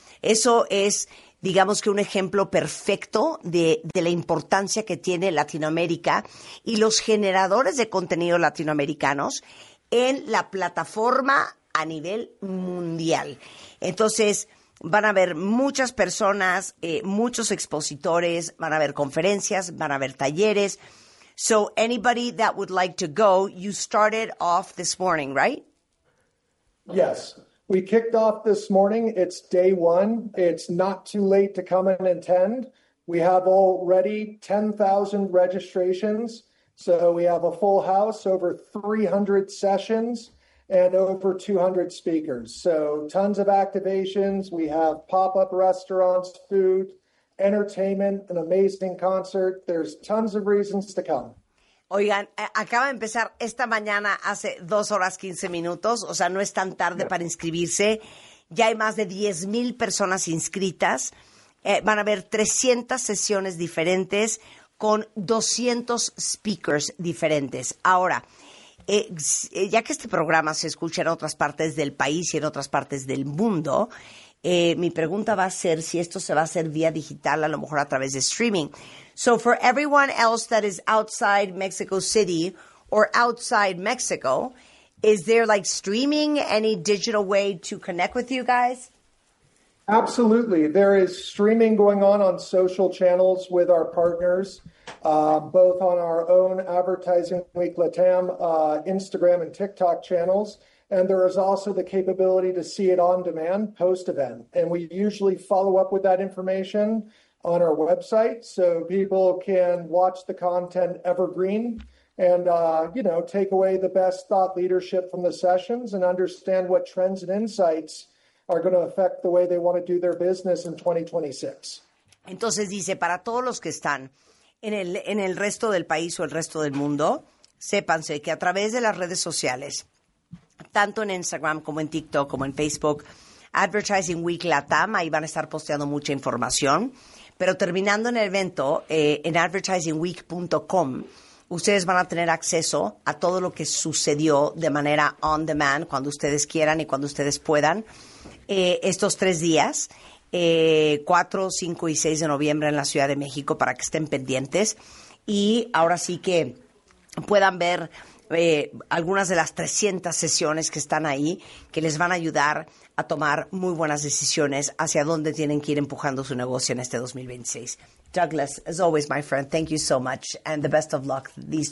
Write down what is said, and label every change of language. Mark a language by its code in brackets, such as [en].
[es] Eso es, digamos que un ejemplo perfecto de la importancia que tiene Latinoamérica y los generadores de contenido latinoamericanos en la plataforma a nivel mundial. Entonces, van a haber muchas personas, muchos expositores, van a haber conferencias, van a haber talleres. [en] So, anybody that would like to go, you started off this morning, right? Yes. We kicked off this morning. It's day one. It's not too late to come and attend. We have already 10,000 registrations. So we have a full house, over 300 sessions, and over 200 speakers. So tons of activations. We have pop-up restaurants, food, entertainment, an amazing concert. There's tons of reasons to come. [es] Oigan, acaba de empezar esta mañana hace 2:15, o sea, no es tan tarde para inscribirse. Ya hay más de 10,000 personas inscritas. Van a haber 300 sesiones diferentes con 200 speakers diferentes. Ahora, ya que este programa se escucha en otras partes del país y en otras partes del mundo, mi pregunta va a ser si esto se va a hacer vía digital, a lo mejor a través de streaming. [en] So for everyone else that is outside Mexico City or outside Mexico, is there like streaming, any digital way to connect with you guys? Absolutely. There is streaming going on social channels with our partners, both on our own Advertising Week LATAM Instagram and TikTok channels. And there is also the capability to see it on demand post-event. And we usually follow up with that information on our website, so people can watch the content evergreen and, you know, take away the best thought leadership from the sessions and understand what trends and insights are going to affect the way they want to do their business in 2026. [es] Entonces dice, para todos los que están en el resto del país o el resto del mundo, sépanse que a través de las redes sociales, tanto en Instagram como en TikTok como en Facebook, Advertising Week LATAM, ahí van a estar posteando mucha información. Pero terminando en el evento, en advertisingweek.com, ustedes van a tener acceso a todo lo que sucedió de manera on demand, cuando ustedes quieran y cuando ustedes puedan, estos tres días, 4, 5 y 6 de noviembre en la Ciudad de México, para que estén pendientes. Y ahora sí que puedan ver algunas de las 300 sesiones que están ahí, que les van a ayudar a tomar muy buenas decisiones hacia dónde tienen que ir empujando su negocio en este 2026. [en] Douglas, as always, my friend, thank you so much and the best of luck these